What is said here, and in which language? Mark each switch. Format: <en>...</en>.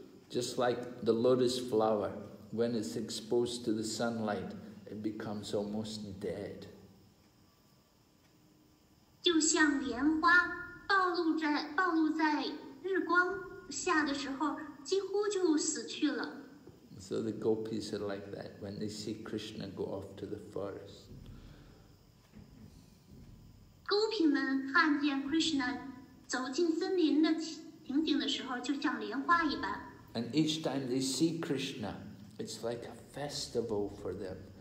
<en>Just like the lotus flower, when it's exposed to the sunlight, it becomes almost dead.</en> <zh>就像莲花暴露在日光下的时候，几乎就死去了。</zh> <en>So the gopis are like that when they see Krishna go off to the forest.</en> <zh>勾品们看见 Krishna 走进森林的情景的时候，就像莲花一般。</zh> <en>And each time they see Krishna, it's like a festival for them.</en>